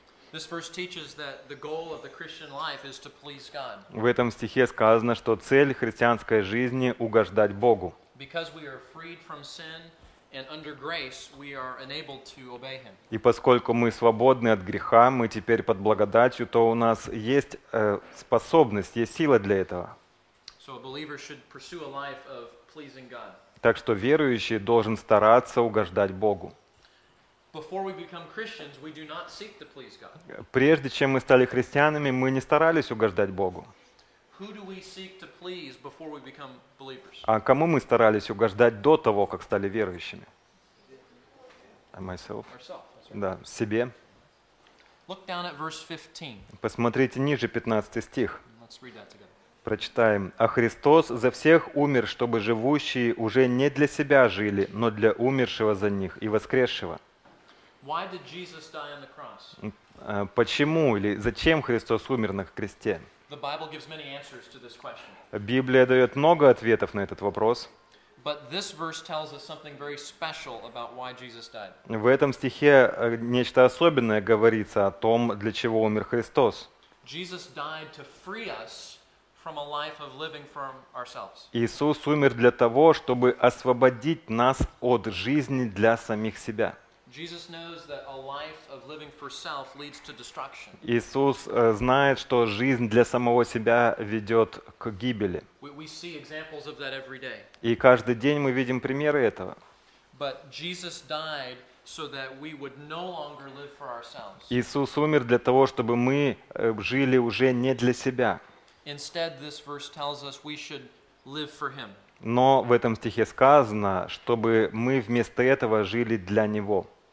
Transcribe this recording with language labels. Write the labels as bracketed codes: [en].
[en] This verse teaches that the goal of the Christian life is to please God. [ru] В этом стихе сказано, что цель христианской жизни — угождать Богу. [en] Because we are freed from sin and under grace, we are enabled to obey Him. [ru] И поскольку мы свободны от греха, мы теперь под благодатью, то у нас есть способность, есть сила для этого. [en] So a believer should pursue a life of pleasing God. [ru] Так что верующий должен стараться угождать Богу. [en] Before we become Christians, we do not seek to please God. [ru] Прежде чем мы стали христианами, мы не старались угождать Богу. [en] Who do we seek to please before we become believers? [ru] А кому мы старались угождать до того, как стали верующими? [en] Myself. [ru] Да, себе. [en] Look down at verse 15. [ru] Посмотрите ниже, 15 стих. [en] Let's read that together. [ru] Прочитаем. «А Христос за всех умер, чтобы живущие уже не для себя жили, но для умершего за них и воскресшего». [en] Why did Jesus die on the cross? [ru] Почему или зачем Христос умер на кресте? [en] The Bible gives many answers to this question. [ru] Библия дает много ответов на этот вопрос. [en] But this verse tells us something very special about why Jesus died. [ru] В этом стихе нечто особенное говорится о том, для чего умер Христос. [en] Jesus died to free us from a life of living for ourselves. [ru] Иисус умер для того, чтобы освободить нас от жизни для самих себя. [en] Jesus knows that a life of living for self leads to destruction. [ru] Иисус знает, что жизнь для самого себя ведет к гибели. [en] We see examples of that every day. [ru] И каждый день мы видим примеры этого. [en] But Jesus died so that we would no longer live for ourselves. [ru] Иисус умер для того, чтобы мы жили уже не для себя. [en] Instead, this verse tells us we should live for Him. [ru] Но в этом стихе сказано, чтобы мы вместо этого жили для Него.